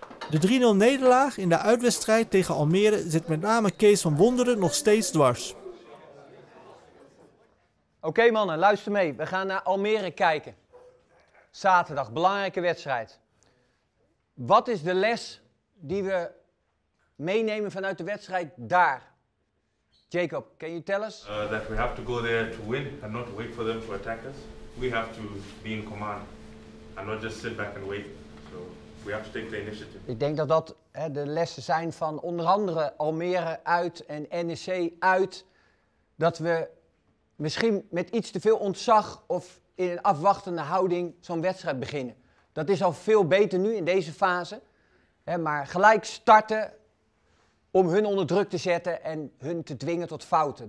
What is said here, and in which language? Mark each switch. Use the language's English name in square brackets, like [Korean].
[Dutch] De 3-0 nederlaag in de uitwedstrijd tegen Almere zit met name Kees van Wonderen nog steeds dwars. Oké, mannen, luister mee. We gaan naar Almere kijken. Zaterdag, belangrijke wedstrijd. Wat is de les die we meenemen vanuit de wedstrijd daar? [English] Jacob, can you tell us? That we have to go there to win and not wait for them to attack us. We have to be in command and not just sit back and wait. We have to take the initiative. [Dutch] Ik denk dat dat de lessen zijn van onder andere Almere uit en NEC uit. Dat we misschien met iets te veel ontzag of in een afwachtende houding zo'n wedstrijd beginnen. Dat is al veel beter nu in deze fase. Maar gelijk starten om hun onder druk te zetten en hun te dwingen tot fouten.